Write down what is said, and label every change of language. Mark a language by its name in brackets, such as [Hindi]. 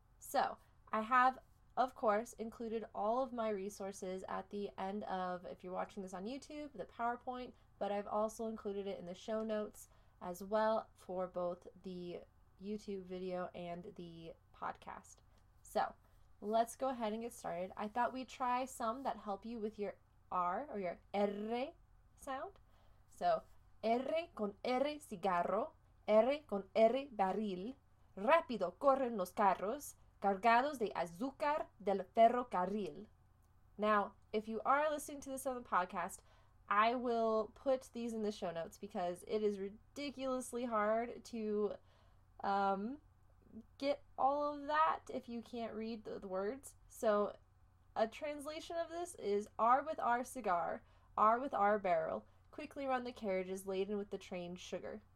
[English] So I have, of course, included all of my resources at the end of, if you're watching this on YouTube, the PowerPoint, but I've also included it in the show notes as well for both the YouTube video and the podcast. So let's go ahead and get started. I thought we'd try some that help you with your R or your R sound. [Spanish] So R con R cigarro, R con R barril, rápido corren los carros, cargados de azúcar del ferrocarril. [English] Now, if you are listening to this on the podcast, I will put these in the show notes because it is ridiculously hard to get all of that if you can't read the words. So a translation of this is R with R cigar, R with R barrel, quickly run the carriages laden with the train sugar.